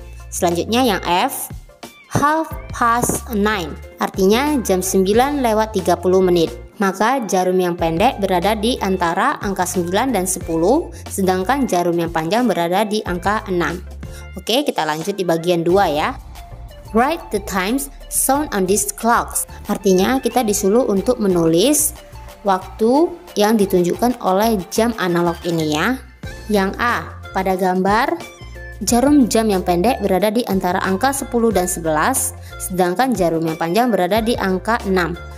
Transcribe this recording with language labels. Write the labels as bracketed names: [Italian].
[Indonesian] Selanjutnya yang F, 9:30. Artinya jam 9 lewat 30 menit. Maka jarum yang pendek berada di antara angka 9 dan 10, sedangkan jarum yang panjang berada di angka 6. Oke, kita lanjut di bagian 2 ya. [English] Write the times shown on these clocks. [Indonesian] Artinya kita disuruh untuk menulis waktu yang ditunjukkan oleh jam analog ini ya. Yang A, pada gambar jarum jam yang pendek berada di antara angka 10 dan 11, sedangkan jarum yang panjang berada di angka 6.